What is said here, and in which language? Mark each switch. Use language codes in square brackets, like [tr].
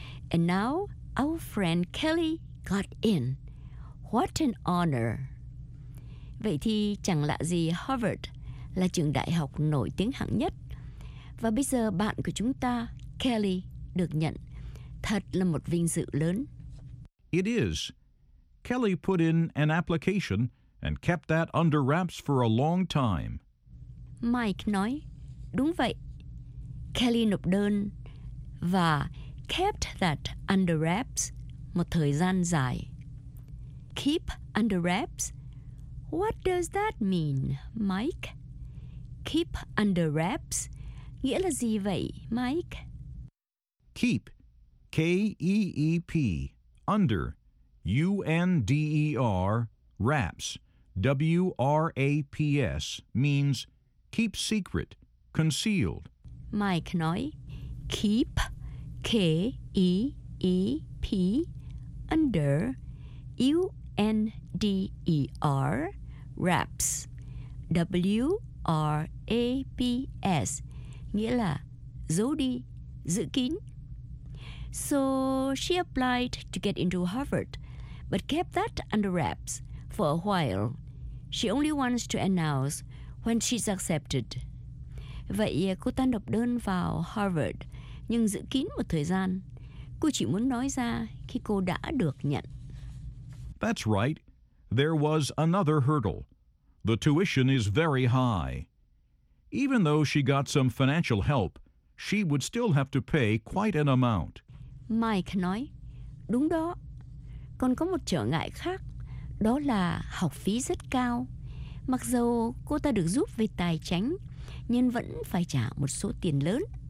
[en] And now our friend Kelly got in. What an honor. [vi] Vậy thì chẳng lạ gì Harvard là trường đại học nổi tiếng hạng nhất. Và bây giờ bạn của chúng ta, Kelly, được nhận. Thật là một vinh dự lớn. [en] It is. Kelly put in an application and kept that under wraps for a long time. [vi] Mike nói, đúng vậy. Kelly nộp đơn và kept that under wraps một thời gian dài. [en] Keep under wraps? What does that mean, Mike? [vi] Keep under wraps? Nghĩa là gì vậy, Mike? [en] Keep. K-E-E-P. Under. U-N-D-E-R. Wraps. W-R-A-P-S. Means keep secret, concealed. [vi] Mike nói, keep. K-E-E-P. Under. U-N-D-E-R. Wraps. W-R-A-P-S. Nghĩa là giấu đi, giữ kín. [en] So she applied to get into Harvard, but kept that under wraps for a while. She only wants to announce when she's accepted. [vi] Vậy cô ta nộp đơn vào Harvard, nhưng giữ kín một thời gian. Cô chỉ muốn nói ra khi cô đã được nhận. [en] That's right. There was another hurdle. The tuition is very high. Even though she got some financial help, she would still have to pay quite an amount. [vi] Mike nói, đúng đó. Còn có một trở ngại khác, đó là học phí rất cao. Mặc dù cô ta được giúp về tài chính, nhưng vẫn phải trả một số tiền lớn.